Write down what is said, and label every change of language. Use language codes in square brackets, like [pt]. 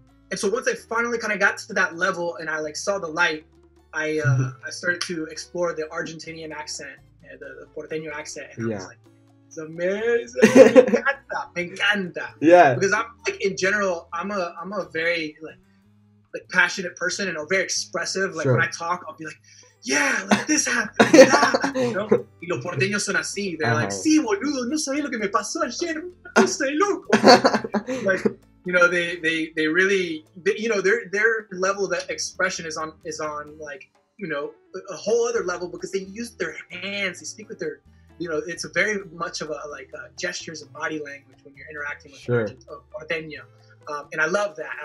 [en] And so once I finally kind of got to that level and I like saw the light, I started to explore the Argentinian accent, the Porteño accent, and yeah. I was like, it's amazing, [es] me encanta. [en] Yeah. Because I'm like, in general, I'm a very like passionate person and a very expressive. Like, sure. When I talk, I'll be like, yeah, like this happened, yeah. You know? [es] Y los porteños son así. [en] They're uh-huh. like, [es] sí, boludo, no sabía lo que me pasó ayer, no estoy loco. [en] Like, you know, they really, you know, their level of expression is on like, you know, a whole other level because they use their hands, they speak with their, you know, it's a very much of a like gestures and body language when you're interacting with Porteño. And I love that.